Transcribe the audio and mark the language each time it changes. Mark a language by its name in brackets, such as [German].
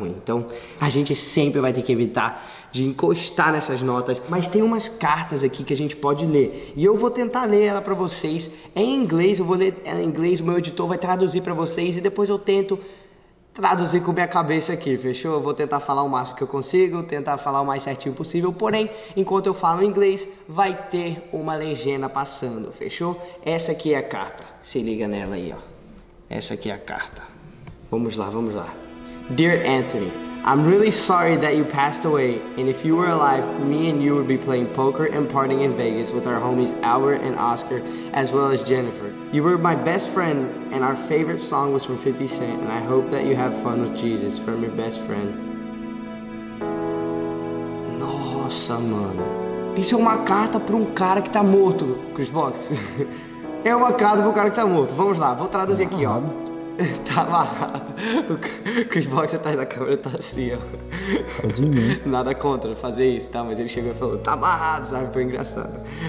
[Portuguese] Então a gente sempre vai ter que evitar de encostar nessas notas, mas tem umas cartas aqui que a gente pode ler e eu vou tentar ler ela pra vocês em inglês, eu vou ler ela em inglês, o meu editor vai traduzir pra vocês e depois eu tento traduzir com minha cabeça aqui, fechou? Eu vou tentar falar o máximo que eu consigo, tentar falar o mais certinho possível, porém, enquanto eu falo em inglês, vai ter uma legenda passando, fechou? Essa aqui é a carta, se liga nela aí, ó. Essa aqui é a carta. Vamos lá. [English] Dear Anthony, I'm really sorry that you passed away, and if you were alive, me and you would be playing poker and partying in Vegas with our homies Albert and Oscar, as well as Jennifer. You were my best friend, and our favorite song was from 50 Cent, and I hope that you have fun with Jesus from your best friend. [Portuguese] Nossa, mano. Isso é uma carta para um cara que tá morto, Chris Box. É uma carta para um cara que tá morto. Vamos lá, vou traduzir aqui, ó. Tá amarrado. O Chris Box atrás da câmera tá assim, ó. É de mim. Nada contra fazer isso, tá? Mas ele chegou e falou, tá amarrado, sabe? Foi engraçado.